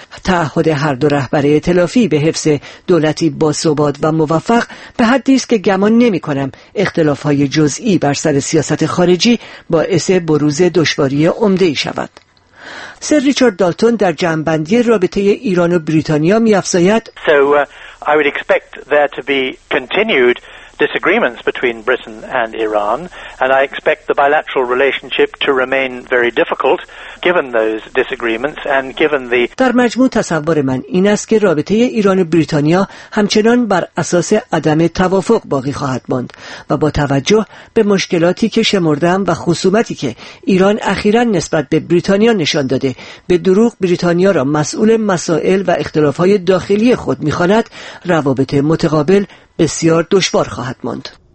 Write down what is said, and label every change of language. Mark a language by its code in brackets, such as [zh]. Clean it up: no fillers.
[fa] تعهد هر دو رهبر ائتلافی به حفظ دولتی باثبات و موفق به حدی است که گمان نمی کنم اختلافهای جزئی بر سر سیاست خارجی باعث بروز دشواری عمده ای شود. سر ریچارد دالتون در جمع‌بندی رابطه ایران و بریتانیا می‌افزاید: [en] I would expect there to be continued disagreements between Britain and Iran, and I expect the bilateral relationship to remain very difficult given those disagreements and given the [fa] در مجموع تصور من این است که رابطه ایران و بریتانیا همچنان بر اساس عدم توافق باقی خواهد ماند و با توجه به مشکلاتی که شمردم و خصومتی که ایران اخیراً نسبت به بریتانیا نشان داده، به دروغ بریتانیا را مسئول مسائل و اختلافات داخلی خود می‌خواند، روابط متقابل بسیار دشوار خواهد ماند.